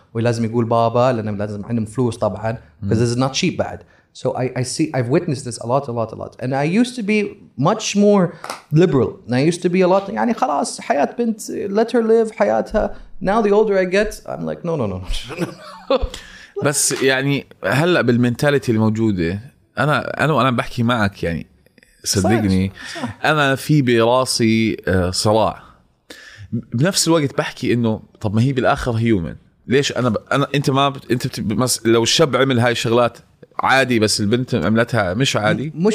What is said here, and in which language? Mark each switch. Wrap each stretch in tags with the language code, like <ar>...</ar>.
<ar>ويلازم يقول بابا لأنه لازم عندهم فلوس طبعا.</ar> <en>Because this is not cheap, bad. So I've witnessed this a lot. And I used to be much more liberal. And I used to be a lot.</en> <ar>يعني خلاص حياة بنت,</ar> <en>let her live</en> <ar>حياتها.</ar> <en>Now the older I get, I'm like no.</en> <ar>بس يعني هلا بالمنتاليتي الموجودة. أنا بحكي معك يعني صدقني أنا في براسي صراع بنفس الوقت بحكي إنه طب ما هي بالآخر هيومن ليش أنا أنت ما أنت لو الشاب عمل هاي الشغلات عادي بس البنت عملتها مش عادي</ar>